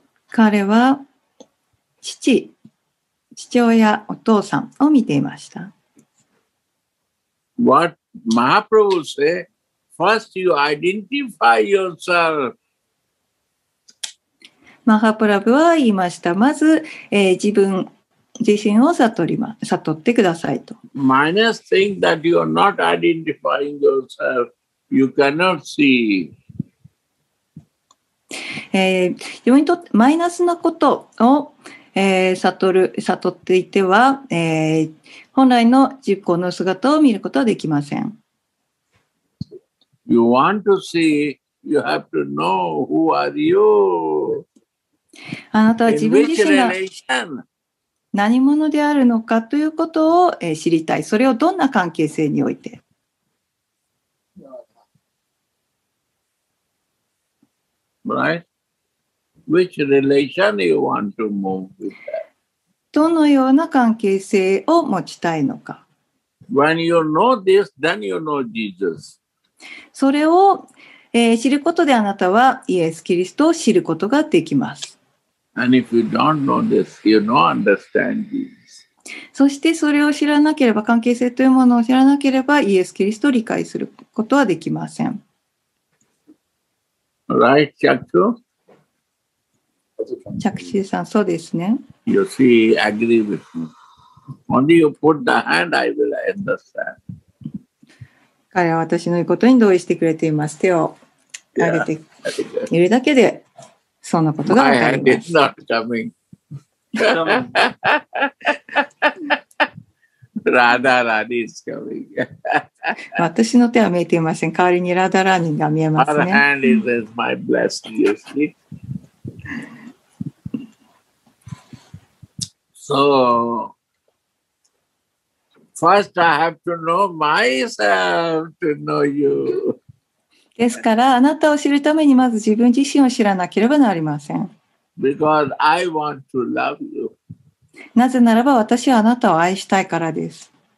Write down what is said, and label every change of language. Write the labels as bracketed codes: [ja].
[ja] 彼は父親、お父さんを見ていました。 [en] What Mahaprabhu say? First you identify yourself. [ja] マハプラブは言いました。まず、自分自身を悟ってくださいと。 [en] Minus think that you are not identifying yourself, you cannot see. [ja] 自分にとってマイナスなことを、悟っていては、本来の自己の姿を見ることはできません。 [en] You want to see, you have to know who are you. [ja] あなたは自分自身が何者であるのかということを、知りたい。それをどんな関係性において。 [en] Right? Which relation you want to move with that? [ja] どのような関係性を持ちたいのか。 [en] When you know this, then you know Jesus. [ja] それを、知ることであなたはイエス・キリストを知ることができます。 [en] And if you don't know this, you don't understand Jesus. [ja] そしてそれを知らなければ、関係性というものを知らなければイエス・キリストを理解することはできません。 [en] Right, Chakshu? [ja] Chakshu san, so desu ne. [en] You see, agree with me. Only you put the hand, I will understand. [ja] 彼は私の言うことに同意してくれています。手を上げているだけで、そんなことが分かります。 [en] My hand is not coming. Radha Rani is coming. [ja] 私の手は見えていません。代わりにラダラーニが見えますね。 [en] Our hand is as my blessing, you see. So, first I have to know myself to know you. [ja] ですから、あなたを知るためにまず自分自身を知らなければなりません。 [en] Because I want to love you. [ja] なぜならば私はあなたを愛したいからです。